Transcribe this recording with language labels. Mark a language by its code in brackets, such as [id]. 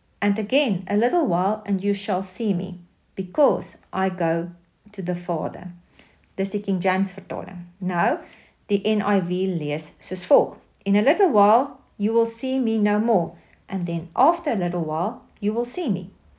[en] And again, a little while and you shall see me, because I go to the Father. [af] Dis die King James vertaling. Nou, die NIV lees soos volg. [en] In a little while you will see me no more, and then after a little while you will see me.